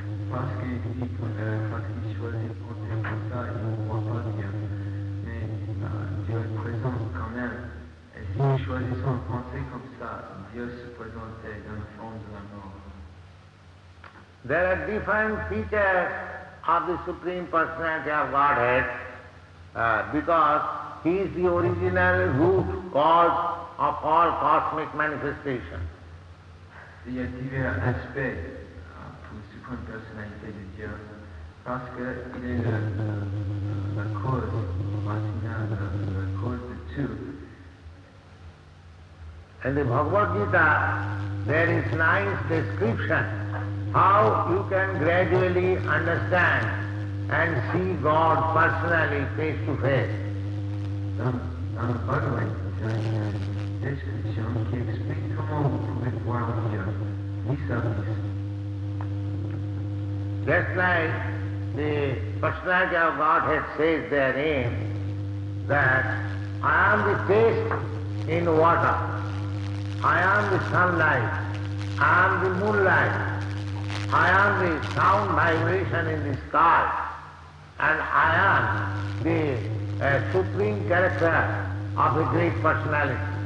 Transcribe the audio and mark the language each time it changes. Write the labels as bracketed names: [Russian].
[French] Parce qu'ils disent qu'il choisit pour dire comme ça, ils ne croient pas Dieu. Mais Dieu est présent quand même. Si nous choisissons de penser comme ça, Dieu se présente dans la forme de la mort. [English] There are different features of the Supreme Personality of Godhead because He is the original root cause of all cosmic manifestation. [French] Il y a divers aspects pour la Supreme Personnalité de Dieu parce qu'il est la cause, la cause de tout. [English] In the Bhagavad Gita, there is nice description how you can gradually understand and see God personally, face to face. [French] Dans le Bhagavad Gita, il y a une description qui explique comment vous pouvez voir Dieu vis-à-vis. [English] Just like the personality of Godhead says therein, that I am the taste in water. I am the sunlight. I am the moonlight. I am the sound vibration in the sky. And I am the supreme character of a great personality.